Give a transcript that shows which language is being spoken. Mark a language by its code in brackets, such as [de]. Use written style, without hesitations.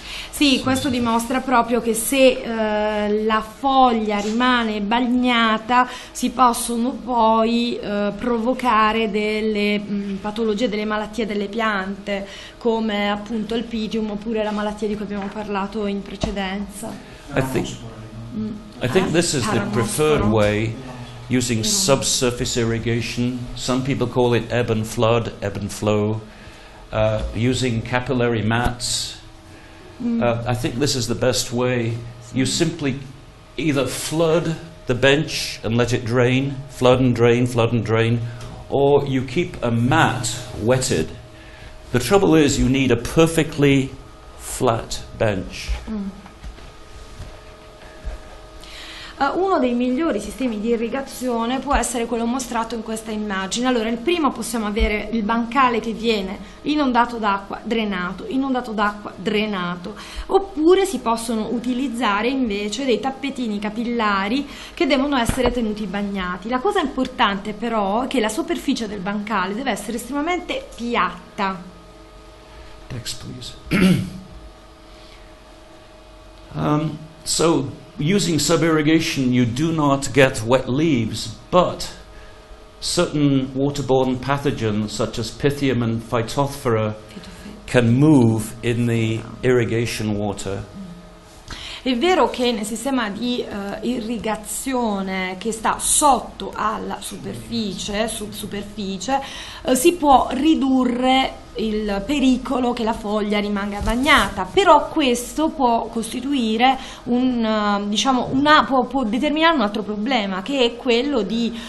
[it] Sì, questo dimostra proprio che se la foglia rimane bagnata si possono poi provocare delle patologie, delle malattie delle piante, come appunto il pidium oppure la malattia di cui abbiamo parlato in precedenza. [en] I think this is the preferred way, using subsurface irrigation. Some people call it ebb and flood, ebb and flow, using capillary mats. I think this is the best way. You simply either flood the bench and let it drain, flood and drain, or you keep a mat wetted. The trouble is you need a perfectly flat bench. [it] Uno dei migliori sistemi di irrigazione può essere quello mostrato in questa immagine. Allora, il primo, possiamo avere il bancale che viene inondato d'acqua, drenato, oppure si possono utilizzare invece dei tappetini capillari che devono essere tenuti bagnati. La cosa importante però è che la superficie del bancale deve essere estremamente piatta. Next, please. [en] So using sub-irrigation, you do not get wet leaves, but certain waterborne pathogens such as Pythium and Phytophthora can move in the irrigation water. [it] È vero che nel sistema di irrigazione che sta sotto alla superficie, si può ridurre il pericolo che la foglia rimanga bagnata, però questo può costituire può determinare un altro problema, che è quello di